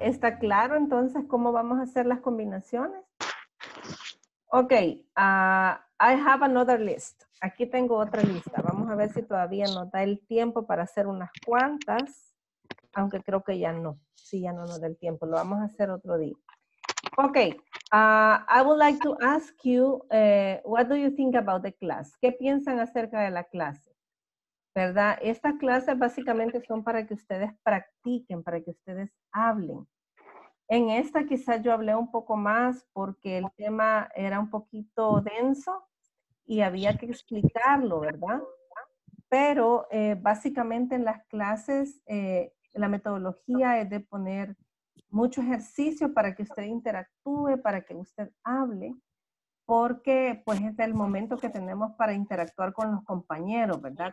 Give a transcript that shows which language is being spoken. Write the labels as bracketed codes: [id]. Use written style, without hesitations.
[es] ¿Está claro entonces cómo vamos a hacer las combinaciones? [en] Okay, I have another list. [es] Aquí tengo otra lista. Vamos a ver si todavía nos da el tiempo para hacer unas cuantas, aunque creo que ya no. Sí, ya no nos da el tiempo. Lo vamos a hacer otro día. [en] Okay, I would like to ask you, what do you think about the class? [es] ¿Qué piensan acerca de la clase? ¿Verdad? Estas clases básicamente son para que ustedes practiquen, para que ustedes hablen. En esta quizás yo hablé un poco más porque el tema era un poquito denso, y había que explicarlo, ¿verdad? Pero básicamente en las clases la metodología es de poner mucho ejercicio para que usted interactúe, para que usted hable, porque pues es el momento que tenemos para interactuar con los compañeros, ¿verdad?